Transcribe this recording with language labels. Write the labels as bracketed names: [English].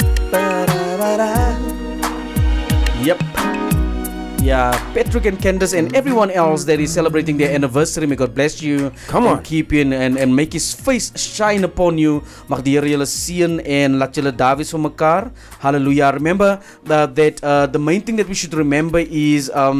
[English] Ba-da-ba-da. Yep. Yeah, Patrick and Candace and everyone else that is celebrating their anniversary. May God bless you. Come on. And keep you and make his face shine upon you. [Afrikaans] Mag die Here julle seën en laat julle daar wees vir mekaar. [English] Hallelujah. Remember that the main thing that we should remember is...